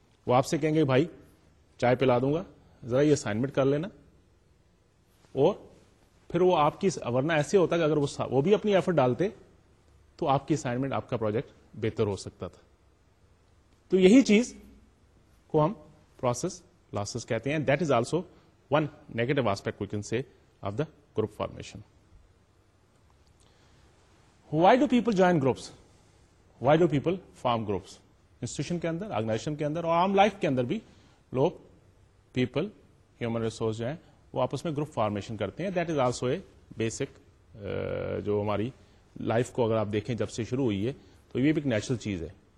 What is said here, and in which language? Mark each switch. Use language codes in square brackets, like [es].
[ur] وہ آپ سے کہیں گے بھائی چائے پلا دوں گا, ذرا یہ اسائنمنٹ کر لینا, اور پھر وہ آپ کی, ورنہ ایسے ہوتا ہے کہ اگر وہ بھی اپنی ایفرٹ ڈالتے تو آپ کی اسائنمنٹ, آپ کا پروجیکٹ بہتر ہو سکتا تھا. تو یہی چیز کو ہم پروسیس لاسز کہتے ہیں. [en] That is also one negative aspect we can say of the group formation. Why do people join groups, why do people form groups, [ur] institution کے اندر, آرگنائزیشن کے اندر اور عام لائف کے اندر بھی لوگ, پیپل, ہیومن ریسورس جو ہیں وہ آپس میں گروپ فارمیشن کرتے ہیں. [en] that is also a basic, [ur] جو ہماری لائف کو اگر آپ دیکھیں جب سے شروع ہوئی ہے تو یہ بھی ایک نیچرل چیز ہے.